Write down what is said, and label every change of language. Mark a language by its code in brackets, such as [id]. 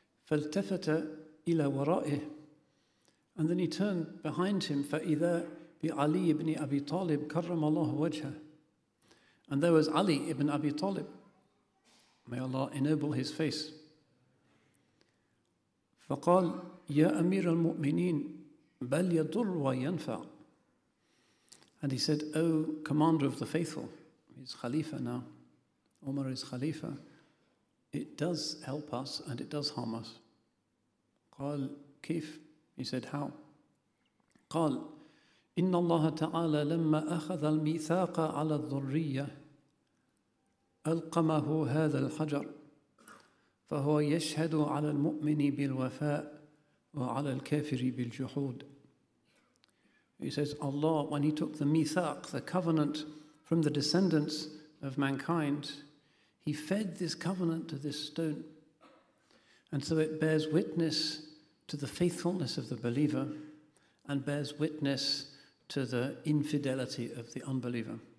[ar] فَالْتَفَتَ إِلَى وَرَائِهِ. [en] And then he turned behind him, [ar] فَإِذَا بِعَلِي [en] ibn Abi Talib [ar] كَرَّمَ اللَّهُ وَجْهَ. [en] And there was Ali ibn Abi Talib. May Allah ennoble his face. [ar] فقال يا أمير المؤمنين بل يضر وينفع. [en] And he said, O commander of the faithful, he's Khalifa now, Umar is Khalifa, it does help us and it does harm us. [ar] قال كيف. [en] He said, how. [ar] قال إن الله تعالى لما أخذ الميثاق على الذرية ألقمه هذا الحجر فهو يشهد على المؤمن بالوفاء وَعَلَى الْكَافِرِ بِالْجُحُودِ. [en] He says, Allah, when he took the mithaq, the covenant, from the descendants of mankind, he fed this covenant to this stone. And so it bears witness to the faithfulness of the believer and bears witness to the infidelity of the unbeliever.